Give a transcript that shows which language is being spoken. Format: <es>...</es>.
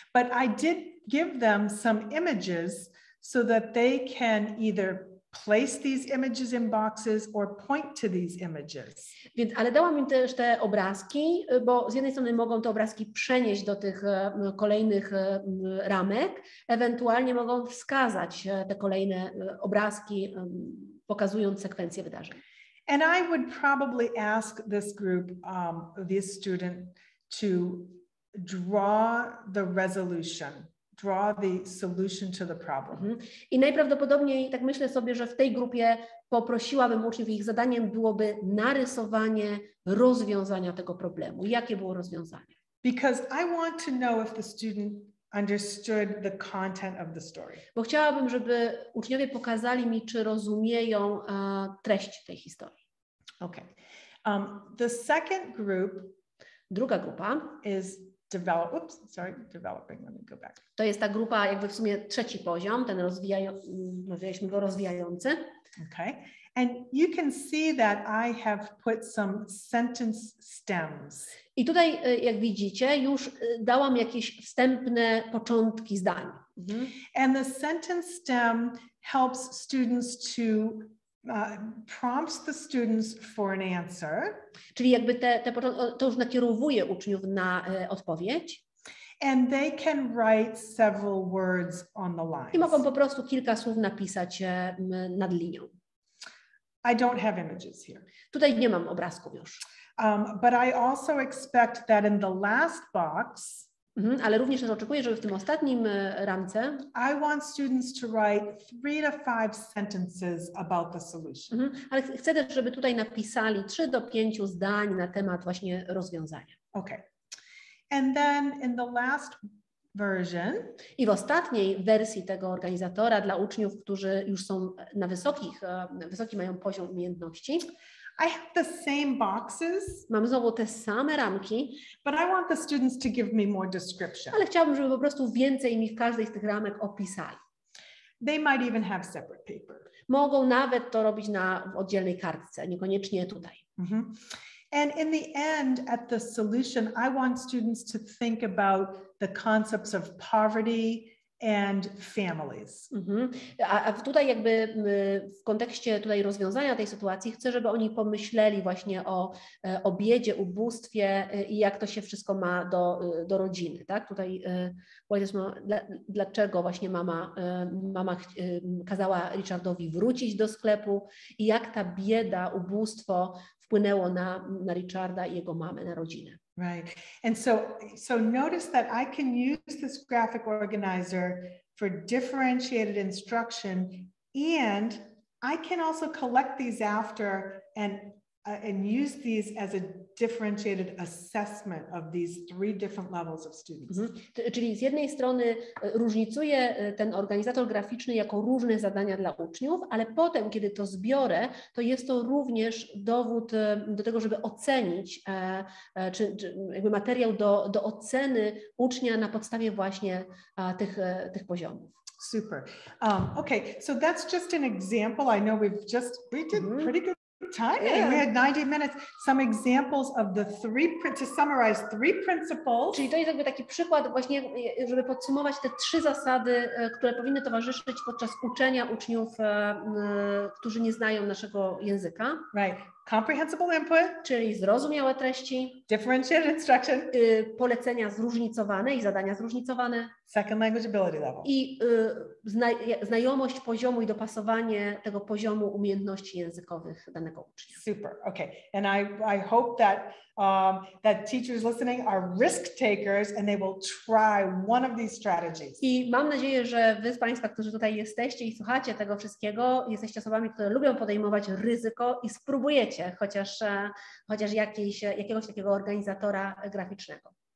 <en>But I did give them some images so that they can either place these images in boxes or point to these images.</en> <pl>Więc, ale dałam im też te obrazki, bo z jednej strony mogą te obrazki przenieść do tych kolejnych ramek, ewentualnie mogą wskazać te kolejne obrazki, pokazując sekwencję wydarzeń.</pl> <en>And I would probably ask this group, this student, to draw the resolution. Draw the solution to the problem.</en> <pl>I najprawdopodobniej, tak myślę sobie, że w tej grupie poprosiłabym uczniów, ich zadaniem byłoby narysowanie rozwiązania tego problemu. Jakie było rozwiązanie?</pl> <en>Because I want to know if the student understood the content of the story.</en> <pl>Bo chciałabym, żeby uczniowie pokazali mi, czy rozumieją treść tej historii.</pl> <en>Okay. The second group.</en> <pl>Druga grupa.</pl> <en>Is develop, oops, sorry, developing, let me go back.</en> <pl>To jest ta grupa, jakby w sumie trzeci poziom, ten rozwijający, go rozwijający.</pl> <en>Okay, and you can see that I have put some sentence stems.</en> <pl>I tutaj, jak widzicie, już dałam jakieś wstępne początki zdań. Mhm.</pl> <en>And the sentence stem helps students to prompts the students for an answer.</en> <pl>Czyli jakby to już nakierowuje uczniów na odpowiedź.</pl> <en>And they can write several words on the lines.</en> <pl>I mogą po prostu kilka słów napisać nad linią.</pl> <en>I don't have images here.</en> <pl>Tutaj nie mam obrazków już.</pl> <en>But I also expect that in the last box.</en> <pl>Ale również też oczekuję, żeby w tym ostatnim ramce</pl> <en>I want students to write 3 to 5 sentences about the solution.</en> <pl>Ale chcę też, żeby tutaj napisali 3 do 5 zdań na temat właśnie rozwiązania.</pl> <en>Okay. And then in the last version.</en> <pl>I w ostatniej wersji tego organizatora dla uczniów, którzy już są na wysoki mają poziom umiejętności.</pl> <en>I have the same boxes.</en> <pl>Mam znowu te same ramki.</pl> <en>But I want the students to give me more description.</en> <pl>Ale chciałabym, żeby po prostu więcej mi w każdej z tych ramek opisali.</pl> <en>They might even have separate paper.</en> <pl>Mogą nawet to robić na oddzielnej kartce, niekoniecznie tutaj. Mm-hmm.</pl> <en>And in the end, at the solution, I want students to think about the concepts of poverty and families. Mm-hmm.</en> <pl>A tutaj jakby w kontekście tutaj rozwiązania tej sytuacji chcę, żeby oni pomyśleli właśnie o biedzie, ubóstwie i jak to się wszystko ma do rodziny, tak? Tutaj powiedzmy, dlaczego właśnie mama kazała Richardowi wrócić do sklepu i jak ta bieda, ubóstwo wpłynęło na Richarda i jego mamę, na rodzinę.</pl> <en>Right. And so notice that I can use this graphic organizer for differentiated instruction, and I can also collect these after and use these as a differentiated assessment of these three different levels of students. Mm-hmm.</en> <pl>Czyli z jednej strony różnicuję ten organizator graficzny jako różne zadania dla uczniów, ale potem, kiedy to zbiorę, to jest to również dowód do tego, żeby ocenić, czy jakby materiał do oceny ucznia na podstawie właśnie tych poziomów.</pl> <en>Super. Okay, so that's just an example. I know we did mm-hmm. pretty good. Time. Yeah. We had 90 minutes. Some examples of the three, to summarize three principles.</en> <pl>Czyli to jest jakby taki przykład właśnie, żeby podsumować te trzy zasady, które powinny towarzyszyć podczas uczenia uczniów, którzy nie znają naszego języka.</pl> <en>Right. Comprehensible input.</en> <pl>Czyli zrozumiałe treści.</pl> <en>Differentiated instruction.</en> <pl>Polecenia zróżnicowane i zadania zróżnicowane.</pl> <en>Second language ability level.</en> <pl>I znajomość poziomu i dopasowanie tego poziomu umiejętności językowych danego ucznia.</pl> <en>Super. Okay. And I hope that that teachers listening are risk takers and they will try one of these strategies.</en> <pl>I mam nadzieję, że wy z Państwa, którzy tutaj jesteście i słuchacie tego wszystkiego, jesteście osobami, które lubią podejmować ryzyko i spróbujecie chociaż jakiegoś takiego organizatora graficznego.</pl>